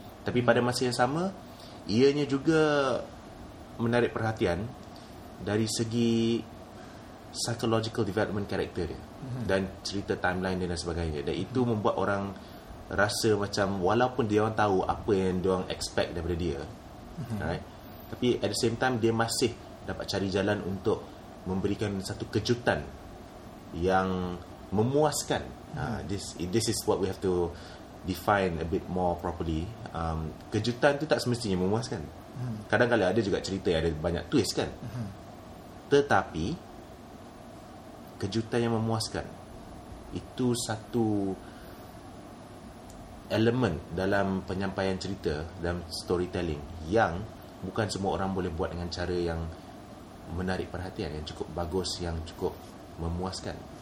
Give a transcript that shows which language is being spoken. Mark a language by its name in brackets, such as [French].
[Malay] Tapi pada masa yang sama, ianya juga menarik perhatian dari segi psychological development karakter dia, dan cerita timeline dia dan sebagainya. Dan itu membuat orang rasa macam walaupun dia orang tahu apa yang dia orang expect daripada dia, right? Tapi [English] at the same time [Malay] dia masih dapat cari jalan untuk memberikan satu kejutan yang memuaskan. [English] This is what we have to define a bit more properly. [Malay] Kejutan tu tak semestinya memuaskan. Kadang-kadang ada juga cerita yang ada banyak twist kan. Tetapi kejutan yang memuaskan itu satu elemen dalam penyampaian cerita, dalam storytelling yang bukan semua orang boleh buat dengan cara yang menarik perhatian, yang cukup bagus, yang cukup memuaskan.